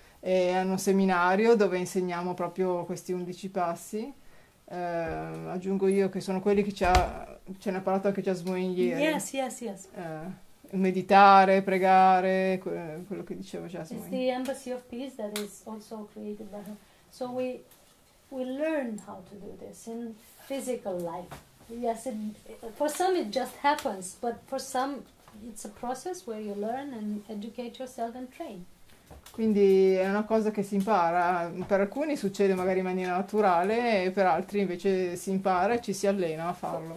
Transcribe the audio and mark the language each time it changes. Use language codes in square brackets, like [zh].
[it] E hanno un seminario dove insegniamo proprio questi 11 passi. Aggiungo io che sono quelli che ce ne ha parlato anche Jasmine ieri. [en] Yes, yes, yes. [it] Meditare, pregare, quello che diceva Jasmine. [en] It's the Embassy of Peace that is also created by her. So we learn how to do this in physical life. Yes, for some it just happens, but for some it's a process where you learn and educate yourself and train. [it] Quindi è una cosa che si impara. Per alcuni succede magari in maniera naturale, e per altri invece si impara e ci si allena a farlo.